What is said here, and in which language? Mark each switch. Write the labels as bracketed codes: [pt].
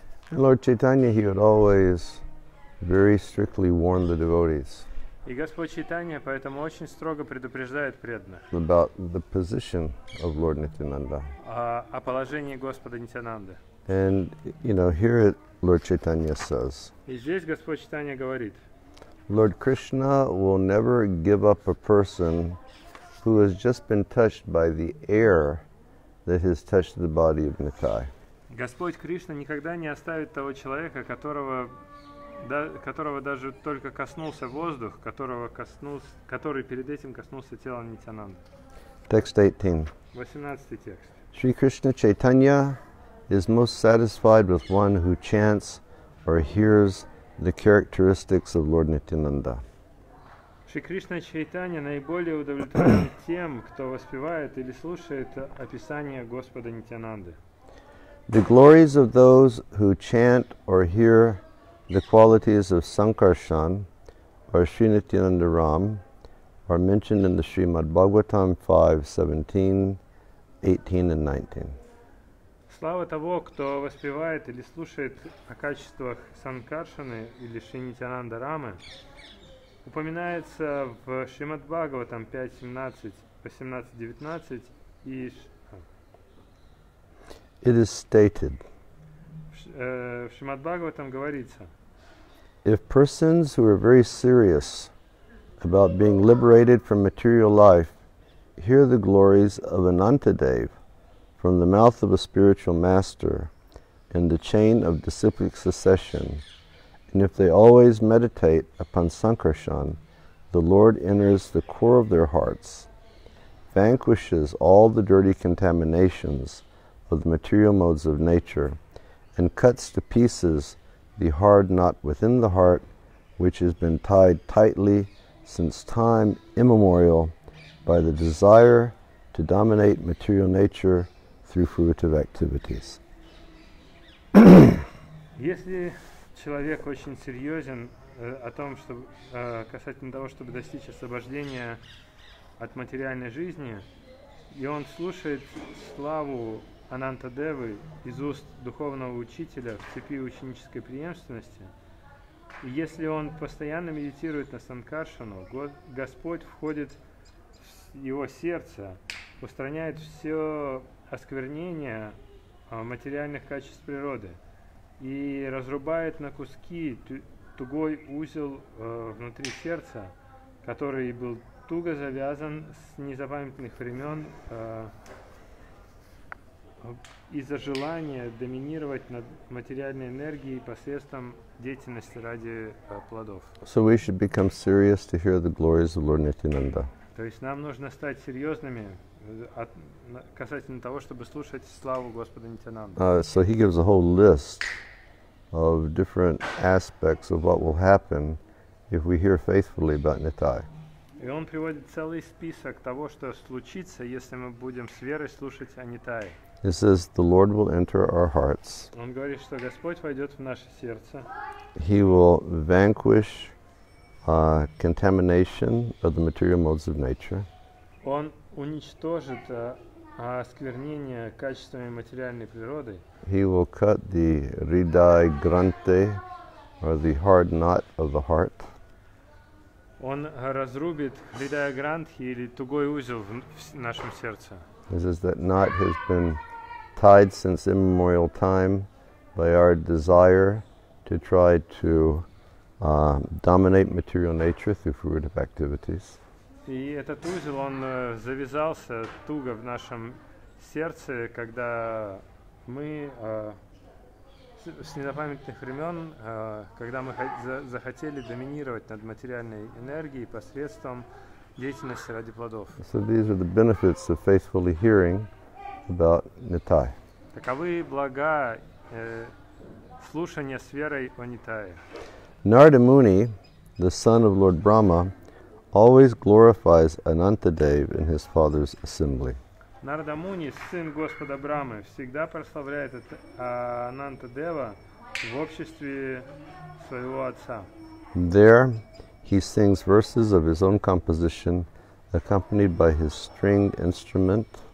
[en] Lord Chaitanya, he would always very strictly warn the devotees. [ru] И Господь Чайтанья поэтому очень строго предупреждает преданных. [en] About the position of Lord Nityananda. [ru] О положении Господа Нитянанды. [en] And you know, here Lord Chaitanya says. [ru] И здесь Господь Чайтанья говорит. [en] Lord Krishna will never give up a person who has just been touched by the air that has touched the body of Nithai. [ru] Господь Кришна никогда не оставит того человека, которого которого даже только коснулся воздух, который перед этим коснулся тела Нитянанды. [en] Text 18. [ru] 18 текст. [en] Shri Krishna Chaitanya is most satisfied with one who chants or hears the characteristics of Lord Nityananda. [ru] Шри Кришна Чайтанья наиболее удовлетворен тем, кто воспевает или слушает описание Господа Нитянанды. [en] The glories of those who chant or hear the qualities of Sankarshan or Sri Nityananda Ram are mentioned in the Srimad Bhagavatam 5:17, 18, and 19. [ru] Слава того, кто воспевает или слушает о качествах Санкаршаны или Шри Нитянанда Рамы, упоминается в Шримад Бхагаватам 5:17, 18:19 и... [en] It is stated. [ru] В Шримад Бхагаватам говорится. [en] If persons who are very serious about being liberated from material life hear the glories of Anantadeva from the mouth of a spiritual master in the chain of disciplic succession, and if they always meditate upon Sankarshan, the Lord enters the core of their hearts, vanquishes all the dirty contaminations of the material modes of nature, and cuts to pieces the hard knot within the heart, which has been tied tightly since time immemorial by the desire to dominate material nature through fruitive activities. [ru] Если человек очень серьезен о том, что касательно того, чтобы достичь освобождения от материальной жизни, и он слушает славу Анантадевы из уст духовного учителя в цепи ученической преемственности, и если он постоянно медитирует на Санкаршану, Господь входит в его сердце, устраняет все осквернение материальных качеств природы и разрубает на куски тугой узел внутри сердца, который был туго завязан с незапамятных времен из-за желания доминировать над материальной энергией посредством деятельности ради плодов. [en] So we should become serious to hear the glories of Lord Nityananda. [ru] То есть нам нужно стать серьезными касательно того, чтобы слушать славу Господа Нитянанды. [en] So he gives a whole list of different aspects of what will happen if we hear faithfully about Nithai. [ru] И он приводит целый список того, что случится, если мы будем с верой слушать о Нитае. [en] It says the Lord will enter our hearts. [ru] Он говорит, что Господь войдет в наше сердце. [en] He will vanquish contamination of the material modes of nature. [ru] Он уничтожит осквернение качествами материальной природы. [en] He will cut the ridai grante, or the hard knot of the heart. [ru] Он разрубит ridai grante или тугой узел в нашем сердце. [en] It says that knot has been tied since immemorial time by our desire to try to dominate material nature through fruitive activities. [ru] И этот узел, он завязался туго в нашем сердце, когда мы с незапамятных времен, когда мы захотели доминировать над материальной энергией посредством деятельности ради плодов. [en] So these are the benefits of faithfully hearing about Nithai. [ru] Таковы блага слушания с верой о Нитае. [en] Narada Muni, the son of Lord Brahma, always glorifies Anantadeva in his father's assembly. [ru] Narada Muni, сын Господа Брамы, всегда прославляет Анантадева в обществе своего отца. [en] There, he sings verses of his own composition, accompanied by his stringed instrument.